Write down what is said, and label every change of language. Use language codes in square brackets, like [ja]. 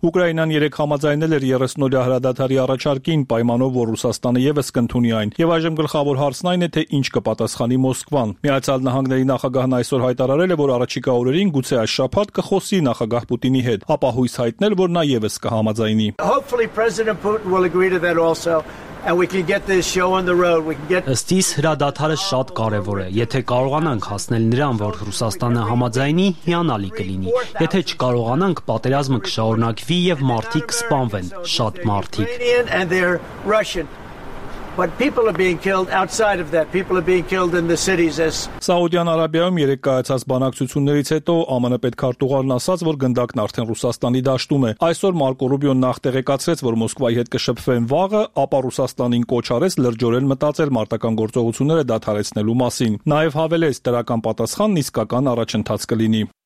[hy] Ուկրաինան երեկ համաձայնել էր 30-օրյա հրադադարի առաջարկին, պայմանով, որ Ռուսաստանը եւս կընդունի այն, եւ այժմ գլխավոր հարցն այն է, թե ինչ կպատասխանի Մոսկվան։ Միացյալ Նահանգների նախագահն այսօր հայտարարել է, որ առաջիկա օրերին գուցե այս շաբաթ կխոսի նախագահ Պուտինի հետ, ապա հույս հայտնել, որ նա եւս կհամաձայնի։ [en] Hopefully President Putin will agree to that also. And we can get this show on the road. We can get [hy] Ստիս հրադադարը շատ կարևոր է։ Եթե կարողանանք հասնել նրան, որ Ռուսաստանը համաձայնի, հիանալի կլինի։ Եթե չկարողանանք, պատերազմը կշարունակվի եւ մարդիկ կսպանվեն, շատ մարդիկ։ [en] But people are being killed outside of that. People are being killed in the cities as [hy] Saudi Arabia-ում երեկ կայացած բանակցություններից հետո ԱՄՆ պետքարտուղարն ասաց, որ գնդակն արդեն Ռուսաստանի դաշտում է։ Այսօր Մարկո Ռուբիոն նախ տեղեկացրեց, որ Մոսկվայի հետ կշփվեն վաղը, ապա Ռուսաստանին կոչ արեց լրջորեն մտածել մարտական գործողությունները դադարեցնելու մասին։ Նաև հավելեց, դրական պատասխանն իսկական առաջընթաց կլինի։